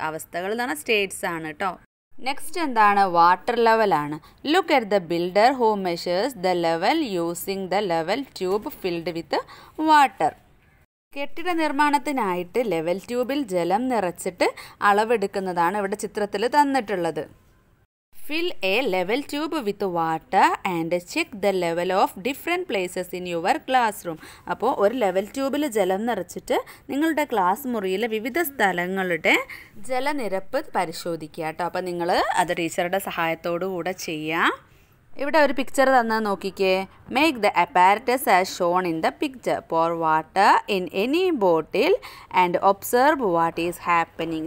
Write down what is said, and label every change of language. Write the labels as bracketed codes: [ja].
[ml] അവസ്ഥകൾ എന്ന് പറഞ്ഞാൽ സ്റ്റേറ്റ്സ് ആണ് കേട്ടോ. നെക്സ്റ്റ് എന്താണ്? വാട്ടർ ലെവലാണ്. [en] Look at the builder who measures the level using the level tube filled with water. [ml] കെട്ടിട നിർമ്മാണത്തിനായിട്ട് ലെവൽ ട്യൂബിൽ ജലം നിറച്ചിട്ട് അളവെടുക്കുന്നതാണ് ഇവിടെ ചിത്രത്തിൽ തന്നിട്ടുള്ളത്. [en] Fill a level tube with water and check the level of different places in your classroom. [ml] അപ്പോൾ ഒരു level ട്യൂബിൽ ജലം നിറച്ചിട്ട് നിങ്ങളുടെ ക്ലാസ് മുറിയിലെ വിവിധ സ്ഥലങ്ങളുടെ ജലനിരപ്പ് പരിശോധിക്കുക കേട്ടോ. അപ്പോൾ നിങ്ങൾ അത് ടീച്ചറുടെ സഹായത്തോടു കൂടെ ചെയ്യുക. ഇവിടെ ഒരു പിക്ചർ തന്നെ നോക്കിക്കേ. [en] Make the apparatus as shown in the picture. Pour water in any bottle and observe what is happening.